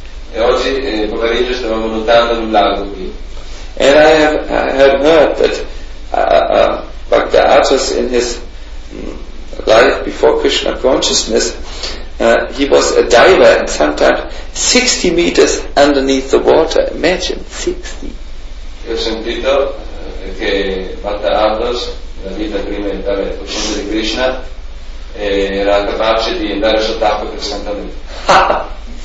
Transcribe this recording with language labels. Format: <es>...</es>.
<it>E oggi pomeriggio stavamo nuotando in un lago qui.</it> <en>And I have heard that Bhakta Arjas in his life before Krishna consciousness, he was a diver and sometimes 60 meters underneath the water. Imagine 60.</en> <it>Ho sentito che Bhakta Arjas, la vita prima di entrare al profondo di Krishna, era capace di andare sott'acqua per 60 metri.</it>